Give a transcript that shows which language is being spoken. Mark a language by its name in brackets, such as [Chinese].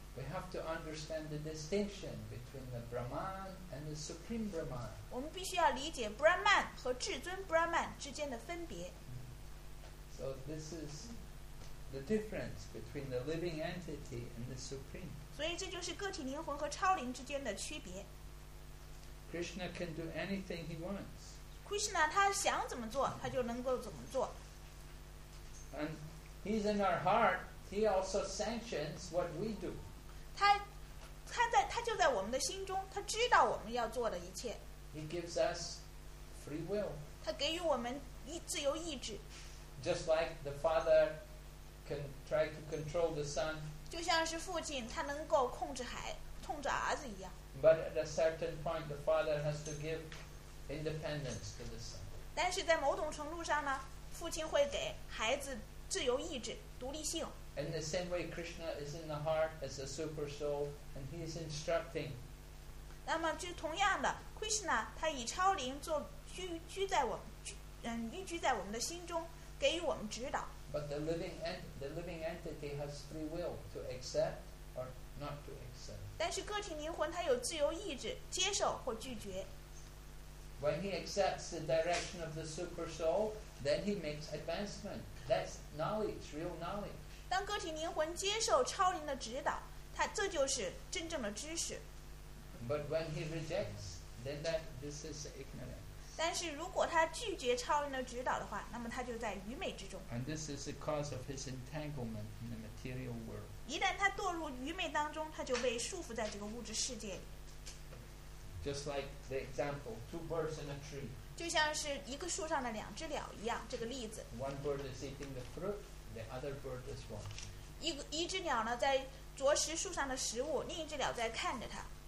[English] We have to understand the distinction between the Brahman and the supreme Brahman. [Chinese] 我们必须要理解 Brahman 和至尊 Brahman 之间的分别。 [English] So this is the difference between the living entity and the supreme. [Chinese] 所以这就是个体灵魂和超灵之间的区别。 [English] Krishna can do anything he wants. [Chinese] Krishna 他想怎么做，他就能够怎么做。 [English] And he's in our heart. He also sanctions what we do. [Chinese] 他就在我们的心中，他知道我们要做的一切。 [English] He gives us free will. [Chinese] 他给予我们自由意志。 [English] Just like the father can try to control the son. [Chinese] 就像是父亲他能够控制孩控制儿子一样。 [English] But at a certain point, the father has to give independence to the son. [Chinese] 但是在某种程度上呢，父亲会给孩子自由意志、独立性。 [English] In the same way, Krishna is in the heart as a super soul, and he is instructing. [Chinese] 那么就同样的 ，Krishna 他以超灵做居在我们居居在我们的心中，给予我们指导。 [English] But the living entity has free will to accept or not to accept. [Chinese] 但是个体灵魂它有自由意志，接受或拒绝。 [English] When he accepts the direction of the super soul, then he makes advancement. That's knowledge, real knowledge. [Chinese] 当个体灵魂接受超灵的指导，它这就是真正的知识。 [English] But when he rejects, then that this is ignorance. [Chinese] 但是如果他拒绝超人的指导的话，那么他就在愚昧之中。 [English] And this is the cause of his entanglement in the material world. [Chinese] 一旦他堕入愚昧当中，他就被束缚在这个物质世界里。 [English] Just like the example, two birds in a tree. [Chinese] 就像是一个树上的两只鸟一样，这个例子。 [English] One bird is eating the fruit, the other bird is watching. [Chinese] 一只鸟呢在啄食树上的食物，另一只鸟在看着它。